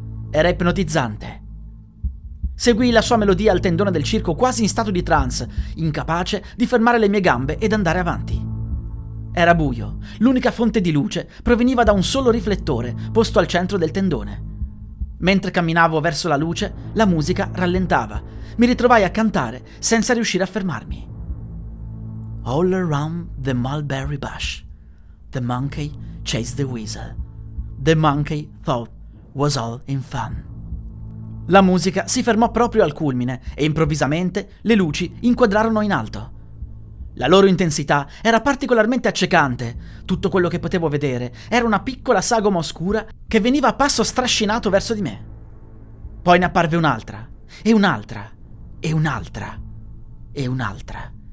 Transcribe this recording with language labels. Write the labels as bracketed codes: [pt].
[it] Era ipnotizzante. Seguii la sua melodia al tendone del circo quasi in stato di trance, incapace di fermare le mie gambe ed andare avanti. Era buio, l'unica fonte di luce proveniva da un solo riflettore posto al centro del tendone. Mentre camminavo verso la luce, la musica rallentava. Mi ritrovai a cantare senza riuscire a fermarmi. [en] All around the mulberry bush, the monkey chased the weasel. The monkey thought was all in fun. [it] La musica si fermò proprio al culmine e improvvisamente le luci inquadrarono in alto. La loro intensità era particolarmente accecante. Tutto quello che potevo vedere era una piccola sagoma oscura che veniva a passo strascinato verso di me. Poi ne apparve un'altra, e un'altra, e un'altra, e un'altra.